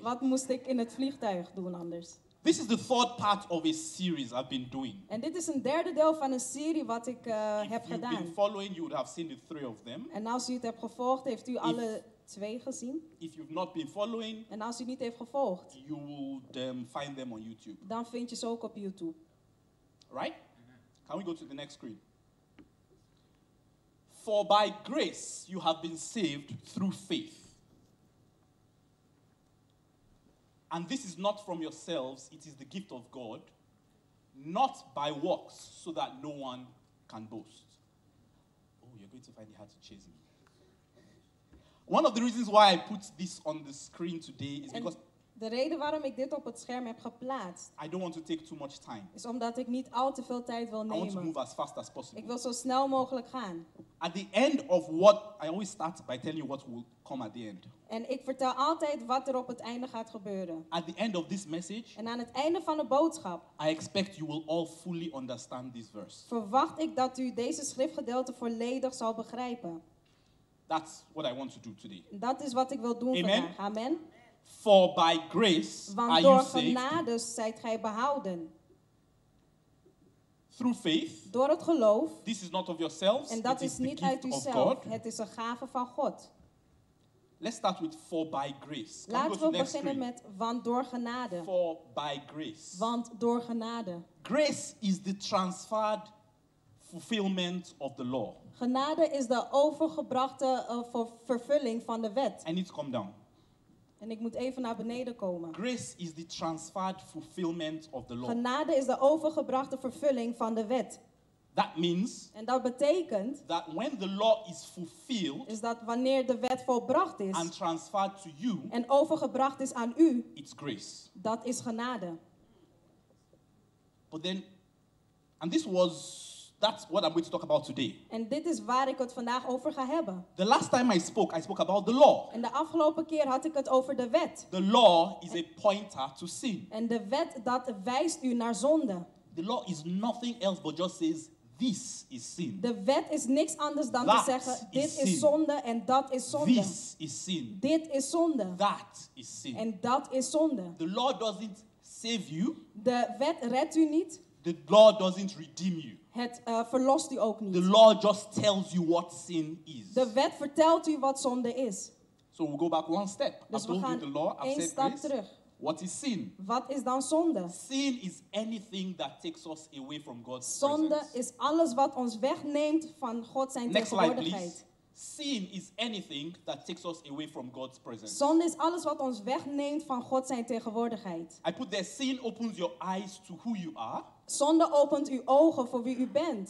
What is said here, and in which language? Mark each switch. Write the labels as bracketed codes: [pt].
[nl] Wat moest ik in het vliegtuig doen anders? [en] This is the third part of a series I've been doing. [nl] En dit is een derde deel van een serie wat ik heb gedaan. [en] If you've been following, you would have seen the three of them. [nl] En als u het hebt gevolgd, heeft u alle twee gezien. [en] If you've not been following, [nl] en als u niet heeft gevolgd, [en] you would find them on YouTube. [nl] Dan vind je ze ook op YouTube. [en] Right? Can we go to the next screen? For by grace you have been saved through faith. And this is not from yourselves, it is the gift of God, not by works, so that no one can boast. Oh, you're going to find it hard to chase me. One of the reasons why I put this on the screen today is because [nl] de reden waarom ik dit op het scherm heb geplaatst, [en] I don't want to take too much time. [nl] Is omdat ik niet al te veel tijd wil nemen. [en] I want to move as fast as possible. [nl] Ik wil zo snel mogelijk gaan. [en] At the end of what I always start by telling you what will come at the end. [nl] En ik vertel altijd wat er op het einde gaat gebeuren. [en] At the end of this message. [nl] En aan het einde van de boodschap. [en] I expect you will all fully understand this verse. [nl] Verwacht ik dat u deze schriftgedeelte volledig zal begrijpen. [en] That's what I want to do today. [nl] Dat is wat ik wil doen vandaag. [en] Amen. For by grace [nl] want [en] are [nl] door [en] you saved. [nl] Genade zijt gij behouden. [en] Through faith. [nl] Door het geloof. [en] This is not of yourselves. [nl] En dat [en] it [nl] is niet [en] the [nl] uit uzelf. Het is een gave van God. [en] Let's start with for by grace. [nl] Laten we beginnen met want door genade. [en] For by grace. [nl] Want door genade. [en] Grace is the transferred fulfillment of the law. [nl] Genade is de overgebrachte vervulling van de wet. [en] I need to come down. [nl] En ik moet even naar beneden komen. [en] Grace is the transferred fulfillment of the law. [nl] Genade is de overgebrachte vervulling van de wet. [en] That means. [nl] En dat betekent. [en] That when the law is fulfilled. [nl] Is dat wanneer de wet volbracht is. [en] And transferred to you. [nl] En overgebracht is aan u. [en] It's grace. [nl] Dat is genade. [en] But then, and this was. That's what I'm going to talk about today. [nl] En dit is waar ik het vandaag over ga hebben. [en] The last time I spoke about the law. [nl] En de afgelopen keer had ik het over de wet. [en] The law is a pointer to sin. [nl] En de wet dat wijst u naar zonde. [en] The law is nothing else but just says this is sin. [nl] De wet is niks anders dan [en] that [nl] te zeggen dit is zonde en dat is zonde. [en] This is sin. [nl] Dit is zonde. [en] That is sin. [nl] En dat is zonde. [en] The law doesn't save you. [nl] De wet redt u niet. [en] The law doesn't redeem you. [nl] Het verlost u ook niet. [en] The law just tells you what sin is. [nl] De wet vertelt u wat zonde is. [en] So we go back one step. [nl] Dus we gaan [en] the law, [nl] één [en] said [nl] stap [en] grace. [nl] Terug. [en] What is sin? [nl] Wat is dan zonde? [en] Sin is anything that takes us away from God's [nl] zonde [en] presence. [nl] Is alles wat ons wegneemt van God zijn tegenwoordigheid. [en] Next slide, please. Sin is anything that takes us away from God's presence. [nl] Zonde is alles wat ons wegneemt van God zijn tegenwoordigheid. [en] I put there, sin opens your eyes to who you are. [nl] Zonde opent uw ogen voor wie u bent.